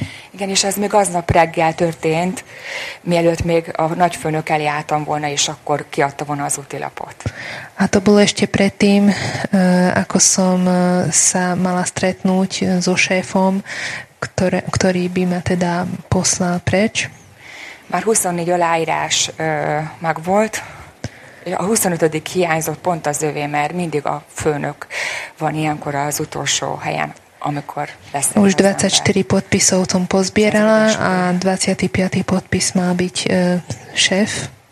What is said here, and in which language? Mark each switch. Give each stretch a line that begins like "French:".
Hungarian: Igen, és ez még aznap reggel történt, mielőtt még a nagyfőnök eljártam volna, és akkor kiadta volna az útilapot.
Slovak: A to bolo ešte predtým, ako som sa mala stretnúť so šéfom, ktorý by ma teda poslal preč.
Hungarian: Már 24 aláírás meg volt. A 25. hiányzott pont az övé, mert mindig a főnök van ilyenkor az utolsó helyen, amikor lesz.
Slovak: Už 24 podpisov som pozbierala a 25. podpis má byť šéf.